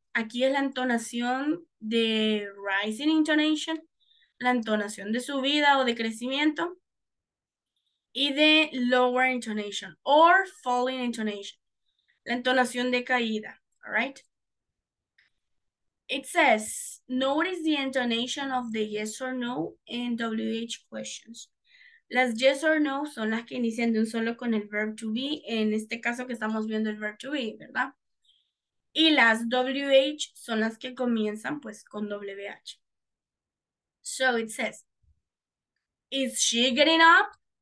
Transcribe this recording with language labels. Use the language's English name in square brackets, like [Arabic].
[Spanish] Aquí es la entonación de [English] rising intonation, [Spanish] la entonación de subida o de crecimiento y de [English] lower intonation or falling intonation, [Spanish] la entonación de caída, [English] all right? It says, notice the intonation of the yes or no in WH questions. [Spanish] Las yes or no son las que inician de un solo con el verb to be, en este caso que estamos viendo el verb to be, ¿verdad? Y las WH son las que comienzan pues con WH. [English] So it says, is she getting up?